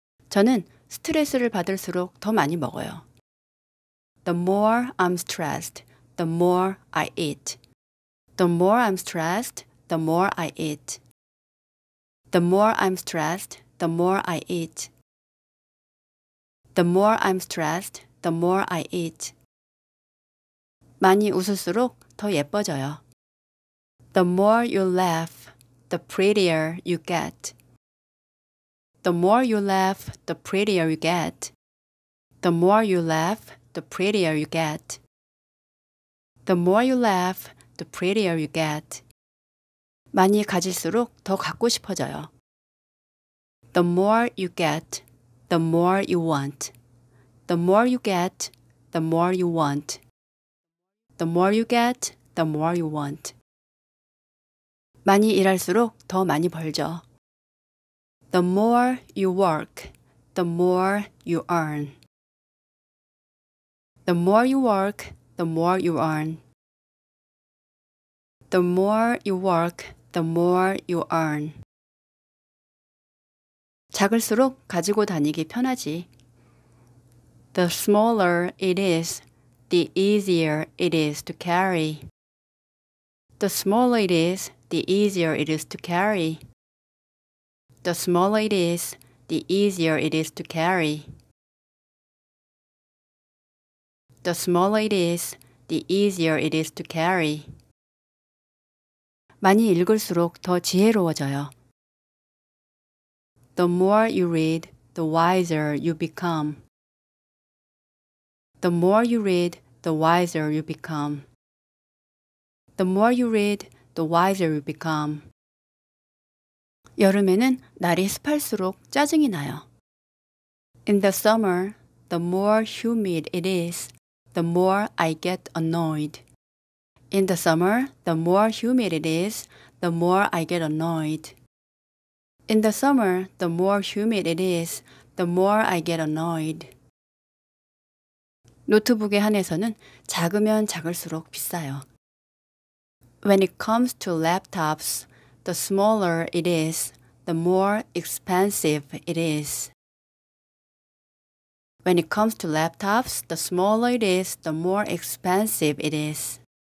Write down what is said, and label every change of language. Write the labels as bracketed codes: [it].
[ko] 저는 스트레스를 받을수록 더 많이 먹어요. [en] The more I'm stressed, the more I eat. The more I'm stressed, the more I eat. The more I'm stressed, the more I eat. The more I'm stressed, the more I eat. [ko] 많이 웃을수록 더 예뻐져요. [en] The more you laugh, the prettier you get. The more you laugh, the prettier you get. The more you laugh, the prettier you get. The more you laugh, the prettier you get. [ko] 많이 가질수록 더 갖고 싶어져요. [en] The more you get, the more you want. The more you get, the more you want. The more you get, the more you want. [ko] 많이 일할수록 더 많이 벌죠. [en] The more you work, the more you earn. The more you work, the more you earn. The more you work, the more you earn. [ko] 작을수록 가지고 다니기 편하지. [en] The smaller it is, the easier it is to carry. The smaller it is, the easier it is to carry. The smaller it is, the easier it is to carry. The smaller it is, the easier it is to carry. [ko] 많이 읽을수록 더 지혜로워져요. [en] The more you read, the wiser you become. The more you read, the wiser you become. The more you read, the wiser you become. [ko] 여름에는 날이 습할수록 짜증이 나요. [en] In the summer, the more humid it is, the more I get annoyed. In the summer, the more humid it is, the more I get annoyed. In the summer, the more humid it is, the more I get annoyed. [ko] 노트북에 한해서는 작으면 작을수록 비싸요. [en] When it comes to laptops, the smaller it is, the more expensive it is. When it comes to laptops, the smaller it is, the more expensive it is.